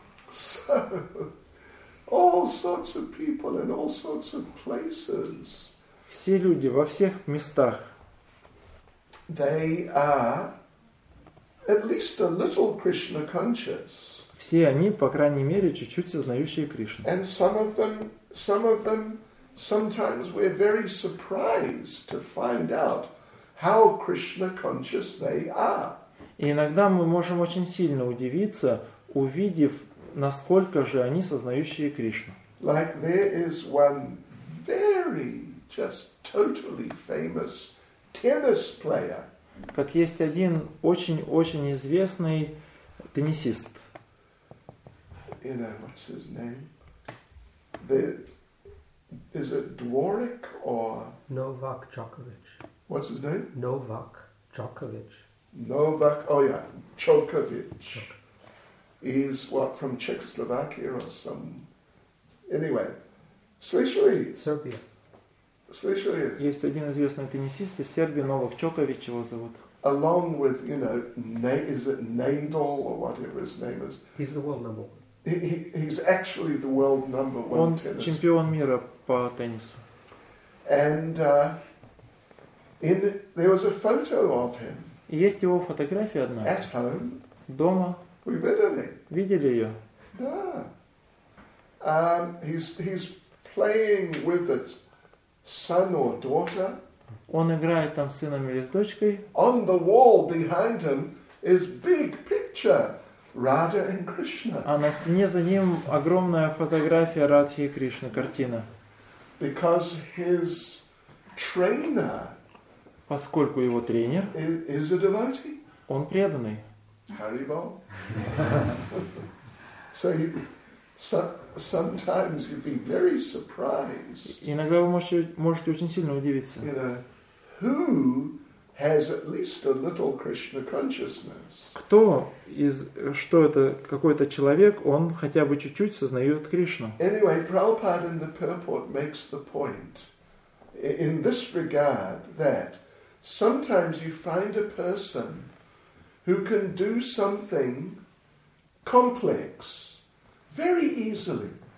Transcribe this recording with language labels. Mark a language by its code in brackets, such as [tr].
[en] So, all sorts of people in all sorts of places. [ru] Все люди во всех местах. [en] They are at least a little Krishna conscious. [ru] Все они, по крайней мере, чуть-чуть сознающие Кришну. [en] And some of them. Sometimes we're very surprised to find out how Krishna conscious they are. [ru] Иногда мы можем очень сильно удивиться, увидев, насколько же они сознающие Кришну. [en] Like there is one very just totally famous tennis player. [ru] Как есть один очень-очень известный теннисист. [en] You know, what's his name? The Is it Dvorak or... Novak Djokovic. What's his name? Novak Djokovic. Djokovic. He's, what, from Czechoslovakia or some... Anyway, Slyšeli? Serbia. [ru] Slyšeli? Есть один известный теннисист из Сербии, Новак Чокович его зовут. [en] Along with, you know, is it Nadal or whatever his name is? He's the world number one. He's actually the world number one [ru] Он [en] tennis. [ru] Чемпион мира по теннису. [en] And there was a photo of him. [ru] Есть его фотография одна. [en] At home. [ru] Дома. We видели. Видели ее. [en] Да. He's playing with his son or daughter. [ru] Он играет там с сыном или с дочкой. [en] On the wall behind him is big picture. Radha and Krishna. [ru] А на стене за ним огромная фотография Радхи и Кришны, картина. [en] Because his trainer. [ru] Поскольку его тренер. [en] Is a devotee. [ru] Он преданный. [en] Haribol. So you, sometimes you'd be very surprised. [ru] Иногда вы можете очень сильно удивиться. [en] You know, who has at least a little Krishna consciousness. [ru] Кто из что это какой-то человек, он хотя бы чуть-чуть сознает Кришну. [en] Anyway, Prabhupada in the purport makes the point in this regard that sometimes you find a person who can do something complex very easily.